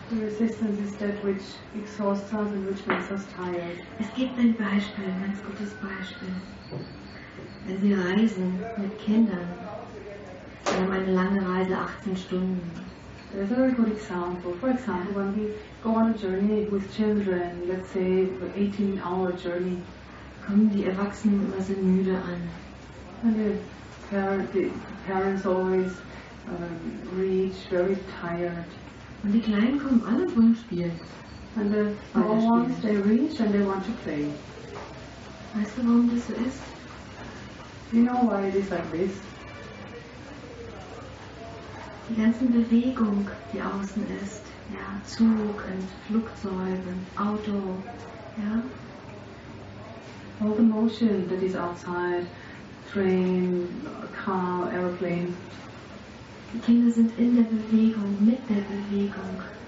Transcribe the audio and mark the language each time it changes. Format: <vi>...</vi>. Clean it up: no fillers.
<en>The resistance is that which exhausts us and which makes us tired.</en> <de>Es gibt ein Beispiel, ein ganz gutes Beispiel. Wenn Sie reisen mit Kindern, Sie haben eine lange Reise, 18 Stunden.</de> <en>There's a very good example. For example, when we go on a journey with children, let's say an 18-hour journey,</en> <de>kommen die Erwachsenen immer so müde an.</de> <en>And the parents always reach very tired.</en> <de>Und die Kleinen kommen alle und wollen spielen.</de> <en>And the small ones, they reach and they want to play.</en> <de>Weißt du, warum das so ist?</de> <en>You know why it is like this?</en> <de>Die ganze Bewegung, die außen ist, ja, Zug und Flugzeug und Auto, ja.</de> <en>All the motion that is outside, train, car, aeroplane.</en> <de>Die Kinder sind in der Bewegung, mit der Bewegung.</de>